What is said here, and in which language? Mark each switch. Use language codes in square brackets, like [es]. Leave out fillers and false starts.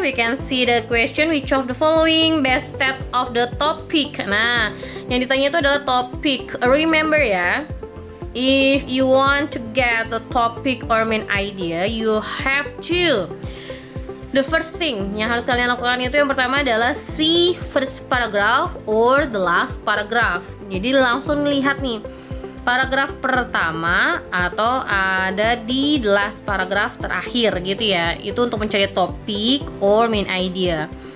[en] We can see the question, which of the following best steps of the topic. [id] Nah, yang ditanya itu adalah topic. [en] Remember ya, if you want to get the topic or main idea, you have to. The first thing [id] yang harus kalian lakukan itu yang pertama adalah [en] see first paragraph or the last paragraph. [id] Jadi langsung lihat nih, paragraf pertama atau ada di last paragraf terakhir gitu ya. Itu untuk mencari [en] topic or main idea.